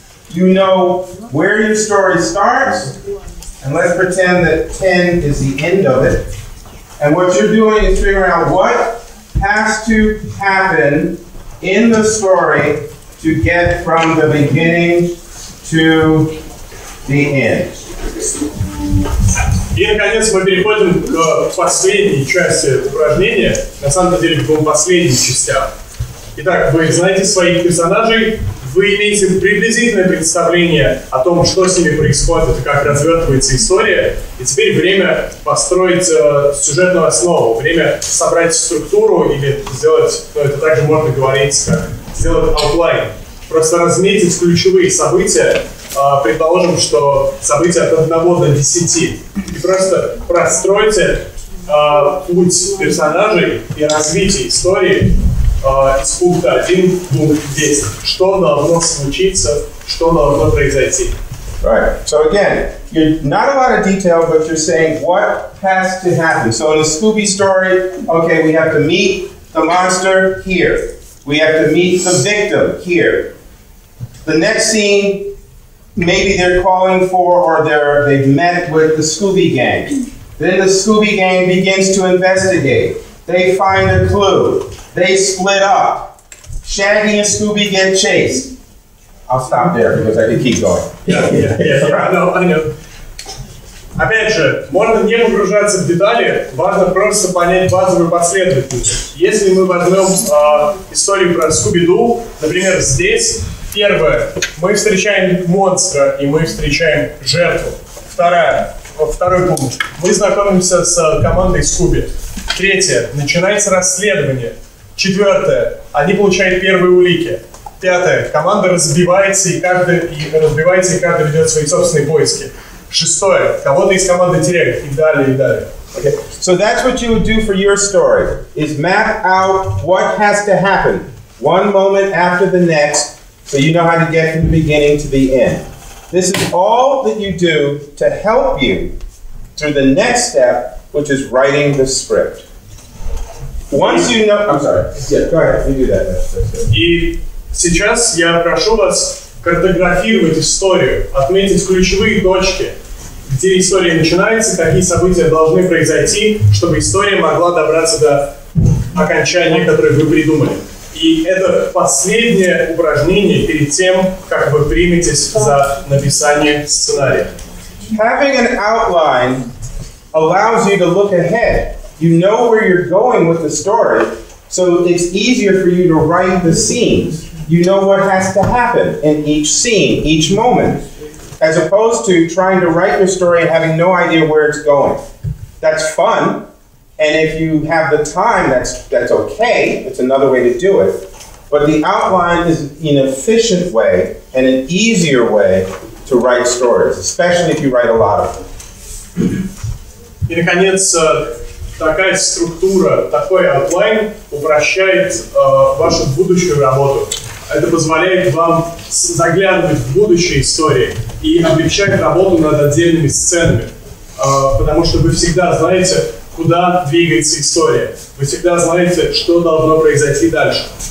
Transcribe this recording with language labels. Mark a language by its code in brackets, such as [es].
[en] You know where your story starts, and let's pretend that 10 is the end of it. And what you're doing is figuring out what has to happen in the story to get from the beginning to the end. [ru] И, наконец, мы переходим к последней части упражнения, на самом деле, к двум последним частям. Итак, вы знаете своих персонажей, вы имеете приблизительное представление о том, что с ними происходит и как развертывается история, и теперь время построить сюжетную основу, время собрать структуру или сделать, ну, это также можно говорить, как сделать outline. Просто разметить ключевые события, предположим, что события от 1 до 10. И просто простройте путь персонажей и развитие истории из пункта 1 к пункту 10. Что должно случиться, что должно произойти. [en] Right. So again, you're not a lot of detail, but you're saying what has to happen. So in a Scooby story, okay, we have to meet the monster here. We have to meet the victim here. The next scene, maybe they're calling for, or they've met with the Scooby Gang. Then the Scooby Gang begins to investigate. They find a clue. They split up. Shaggy and Scooby get chased. I'll stop there because I could keep going. [ru] Опять же, можно не погружаться в детали, важно просто понять базовую последовательность. Если мы возьмем историю про Скуби-Ду, например, здесь. Первое. Мы встречаем монстра, и мы встречаем жертву. Второй пункт. Мы знакомимся с командой Скуби. Третье. Начинается расследование. Четвертое. Они получают первые улики. Пятое. Команда разбивается, и каждый ведет свои собственные поиски. Шестое. Кого-то из команды теряют. И далее. [en] Okay. So that's what you would do for your story. Is map out what has to happen. One moment after the next. So you know how to get from the beginning to the end. This is all that you do to help you through the next step, which is writing the script. Once you know... I'm sorry. Yeah, go ahead. You do that. [ru] И сейчас я прошу вас картографировать историю, отметить ключевые точки, где история начинается, какие события должны произойти, чтобы история могла добраться до окончания, которое вы придумали. И это последнее упражнение перед тем, как вы приметесь за написание сценария. [en] Having an outline allows you to look ahead. You know where you're going with the story, so it's easier for you to write the scenes. You know what has to happen in each scene, each moment, as opposed to trying to write your story and having no idea where it's going. That's fun. And if you have the time, that's okay. It's another way to do it. But the outline is an efficient way and an easier way to write stories, especially if you write a lot of them. [ru] И, наконец, такая структура, такой outline упрощает вашу будущую работу. Это позволяет вам заглядывать в будущее истории и облегчать работу над отдельными сценами, потому что вы всегда знаете, куда двигается история. Вы всегда знаете, что должно произойти дальше.